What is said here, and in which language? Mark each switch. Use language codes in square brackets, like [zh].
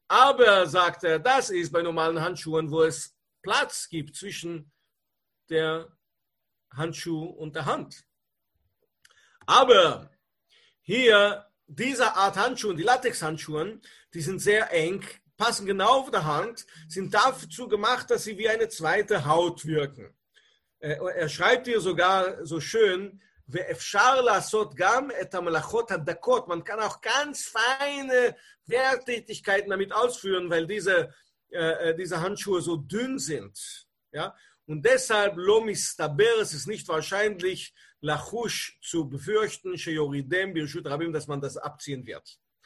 [de] Aber, sagt er, das ist bei normalen Handschuhen, wo es Platz gibt zwischen der Handschuh und der Hand. Aber hier, diese Art Handschuhen, die Latexhandschuhen, die sind sehr eng, passen genau auf der Hand, sind dazu gemacht, dass sie wie eine zweite Haut wirken. Er schreibt hier sogar so schön, [he] ואפשר לעשות גם את המלאכות הדקות. [de] Man kann auch ganz feine Werktätigkeiten damit ausführen, weil diese Handschuhe so dünn sind. Ja? Und deshalb, [he] לא מסתבר, [de] es ist nicht wahrscheinlich, [he] לחוש [de] zu befürchten, [he] שיורידם ברשות רבים, [de] dass man das abziehen wird.